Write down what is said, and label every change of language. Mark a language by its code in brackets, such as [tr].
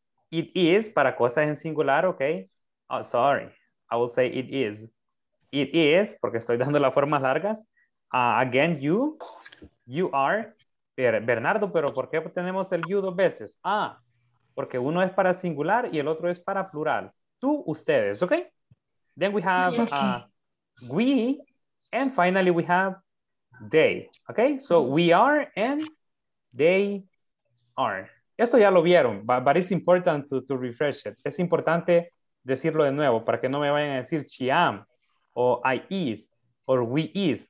[en] It is, [es] para cosas en singular, [en] okay? Oh, sorry. I will say it is. It is, [es] porque estoy dando las formas largas. [en] Again, you. You are. [es] Bernardo, pero ¿por qué tenemos el you dos veces? Ah, porque uno es para singular y el otro es para plural. Tú, ustedes, okay? [en] Then we have we, and finally we have they, okay? So we are and they are. [es] Esto ya lo vieron, [en] but it's important to refresh it. [es] Es importante decirlo de nuevo para que no me vayan a decir [en] she am, or I is, or we is.